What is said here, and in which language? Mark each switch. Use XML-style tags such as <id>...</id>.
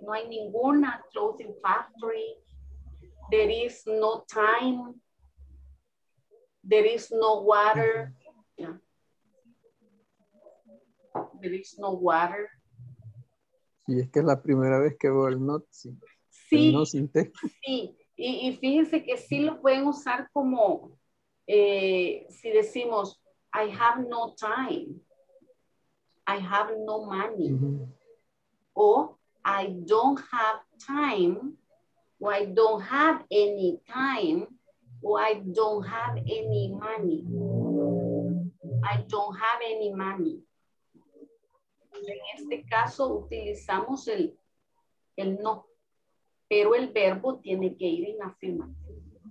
<es>No hay ninguna</es> <en>clothing factory, there is no time, there is no water, there is no water.</en> <es>Y es que es la primera vez que veo el not sin, sí, el no sin T. Sí, y fíjense que sí lo pueden usar como si decimos,</es> <en>I have no time. I have no money. Mm-hmm. Or I don't have time, or I don't have any time, or I don't have any money. I don't have any money.</en> <es>En este caso utilizamos el no, pero el verbo tiene que ir en afirmativo.</es>